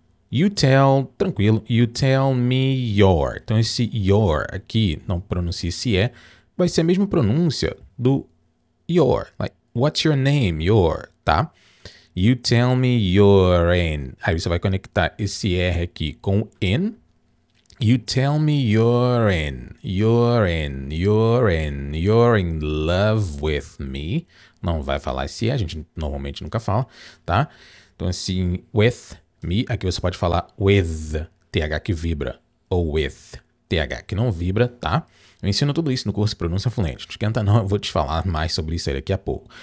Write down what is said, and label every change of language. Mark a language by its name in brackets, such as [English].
[English] You tell me your. [Portuguese] Então esse your aqui, não pronuncie se é, vai ser a mesma pronúncia do your. [English] Like, what's your name, your, tá? You tell me your in. [Portuguese] Aí você vai conectar esse R aqui com in. [English] You tell me you're in, you're in, you're in, you're in love with me. [Portuguese] Não vai falar esse E, a gente normalmente nunca fala, tá? Então assim, with me, aqui você pode falar with, TH que vibra, ou with, TH que não vibra, tá? Eu ensino tudo isso no curso Pronúncia Fluente. Não esquenta não, eu vou te falar mais sobre isso aí daqui a pouco.